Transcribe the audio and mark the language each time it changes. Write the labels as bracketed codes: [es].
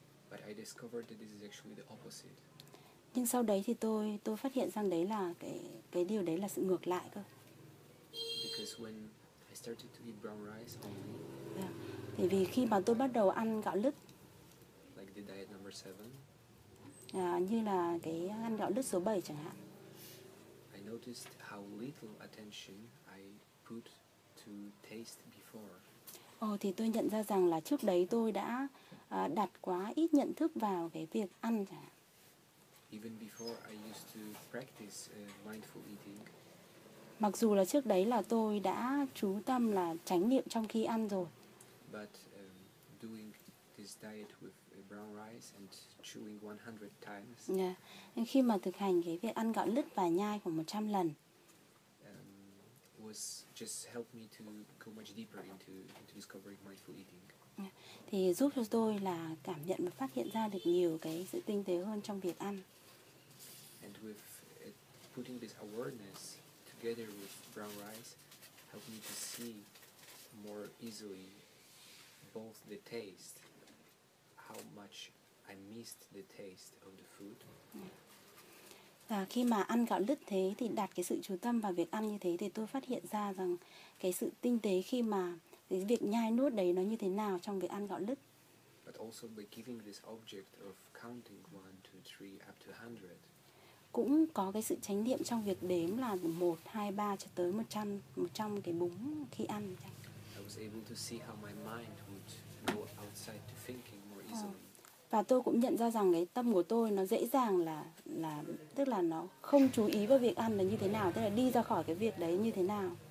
[en] But I discovered that this is actually the opposite. [vi] Nhưng sau đấy thì tôi phát hiện rằng đấy là cái điều đấy là sự ngược lại cơ. [en] Because when I started to eat brown rice only. [vi] Tại vì khi mà tôi bắt đầu ăn gạo lứt. [en] Like the diet number 7. [vi] Như là cái ăn gạo lứt số 7 chẳng hạn. [en] I noticed how little attention I put to taste before. [vi] Thì tôi nhận ra rằng là trước đấy tôi đã đặt quá ít nhận thức vào cái việc ăn chẳng hạn. [en] Even before I used to practice mindful eating. [vi] Mặc dù là trước đấy là tôi đã chú tâm là chánh niệm trong khi ăn rồi. [en] But doing this diet with brown rice and chewing 100 times. Yeah. [vi] Khi mà thực hành cái việc ăn gạo lứt và nhai khoảng 100 lần. [en] Was just helped me to go much deeper into discovering mindful eating. [vi] Thì giúp cho tôi là cảm nhận và phát hiện ra được nhiều cái sự tinh tế hơn trong việc ăn. [en] And with putting this awareness together with brown rice helped me to see more easily both the taste, how much I missed the taste of the food. [vi] Và khi mà ăn gạo lứt thế thì đặt cái sự chú tâm vào việc ăn như thế thì tôi phát hiện ra rằng cái sự tinh tế khi mà cái việc nhai nuốt đấy nó như thế nào trong việc ăn gạo lứt. [en] But also by giving this object of counting 1, 2, 3 up to 100. [vi] Cũng có cái sự chánh niệm trong việc đếm là 1, 2, 3 cho tới 100, 100 cái búng khi ăn. [en] I was able to see how my mind would go outside to thinking more easily. [vi] Và tôi cũng nhận ra rằng cái tâm của tôi nó dễ dàng là tức là nó không chú ý vào việc ăn là như thế nào, tức là đi ra khỏi cái việc đấy như thế nào.